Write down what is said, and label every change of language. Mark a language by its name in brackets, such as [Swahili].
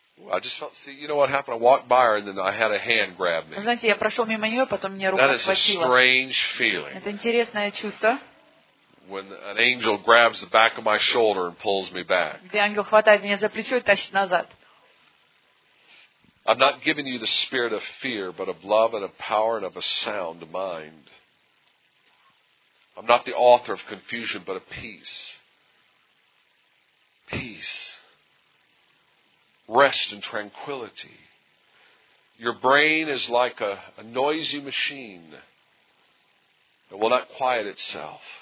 [English] I just felt, see, you know what happened? I walked by her and then I had a hand grab me. [Russian] Знаете, я прошел мимо нее, потом меня рука схватила. [English] That is a strange feeling. [Russian] Это интересное чувство. [English] When an angel grabs the back of my shoulder and pulls me back. [Russian] Где ангел хватает меня за плечо и тащит назад. [English] I'm not giving you the spirit of fear, but of love and of power and of a sound mind. I'm not the author of confusion, but of peace. Peace. Rest and tranquility. Your brain is like a noisy machine that will not quiet itself.